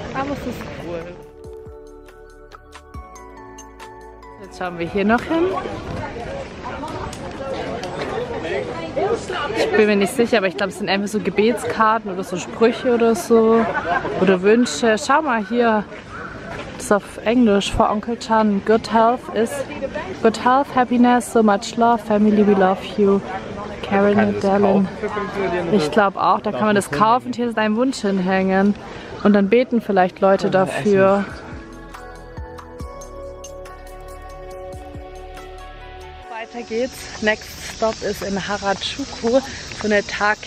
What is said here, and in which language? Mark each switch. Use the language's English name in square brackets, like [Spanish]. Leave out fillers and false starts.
[German] Aber es ist cool. Jetzt schauen wir hier noch hin. Ich bin mir nicht sicher, aber ich glaube, es sind einfach so Gebetskarten oder so Sprüche oder so. Oder Wünsche. Schau mal hier. Das ist auf Englisch. [English] For Uncle Chan. Good health is good health, happiness, so much love, family, we love you. [German] Karen und Dallin. Ich glaube auch, da kann man das kaufen und hier ist dein Wunsch hinhängen. Und dann beten vielleicht Leute dafür. Weiter geht's. Next Stop ist in Harajuku. So eine Take.